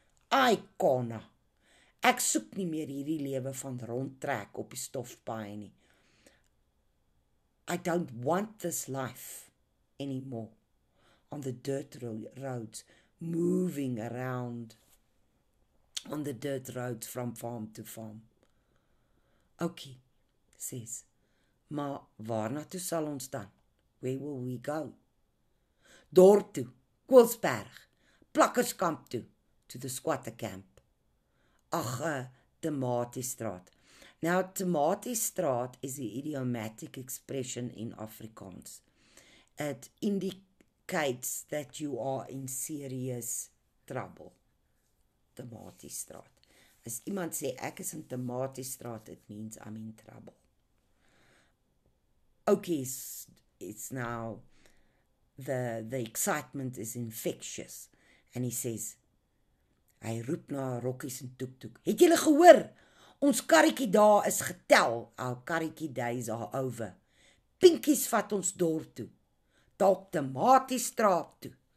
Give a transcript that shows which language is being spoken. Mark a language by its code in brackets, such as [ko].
[af] Ai, Connor, ek soek nie meer hierdie lewe van rondtrek op die stofpaai nie. [en] I don't want this life anymore. On the dirt roads, moving around on the dirt roads from farm to farm. [af] Okay, says, maar waarna toe sal ons dan? [en] Where will we go? [af] Dorp toe, Koelsberg, Plakkerskamp toe, [en] to the squatter camp. Ach, Tematiestraat. Now, Tematiestraat is the idiomatic expression in Afrikaans. It indicates that you are in serious trouble. Tematiestraat. As iemand sê, [af] ek is in Tematiestraat, [en] it means I'm in trouble. Okay, it's now, the excitement is infectious. And he says, [af] hy roep na Rokkies en Tuk-Tuk. Het julle gehoor? Ons karretjie daar is getel. [en] Our karretjie days are over. [af] Pinkies vat ons dorp toe. Dalk Tematiestraat toe.